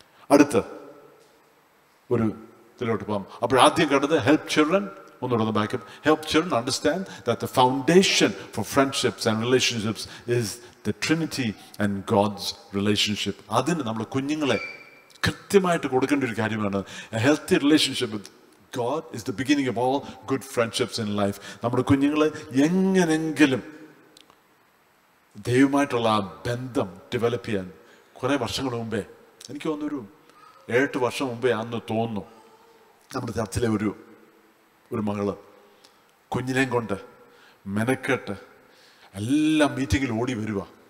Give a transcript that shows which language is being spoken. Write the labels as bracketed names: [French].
[Malayalam] അടുത്ത് ഒരു ഇതിലോട്ട് പോകാം. അപ്പോഴാദ്യം കണ്ടത് [English] help children, [Malayalam] ഒന്നുകൂടെ ഒന്ന് backup. [English] Help children understand that the foundation for friendships and relationships is the Trinity and God's relationship. [Malayalam] അതിന് നമ്മൾ കുഞ്ഞുങ്ങളെ കൃത്യമായിട്ട് കൊടുക്കേണ്ട ഒരു കാര്യമാണ്. [English] A healthy relationship with God is the beginning of all good friendships in life. [Malayalam] നമ്മുടെ കുഞ്ഞുങ്ങളെ എങ്ങനെങ്കിലും ദൈവമായിട്ടുള്ള ആ ബന്ധം ഡെവലപ്പ് ചെയ്യാൻ, കുറേ വർഷങ്ങൾ മുമ്പേ, എനിക്ക് തോന്നുന്നു ഒരു 7 വർഷം മുമ്പേ ആണെന്ന് തോന്നുന്നു, നമ്മുടെ ചർച്ചിലെ ഒരു മകള് കുഞ്ഞിനെയും കൊണ്ട് മെനക്കെട്ട് എല്ലാ മീറ്റിങ്ങിലും ഓടി വരിക.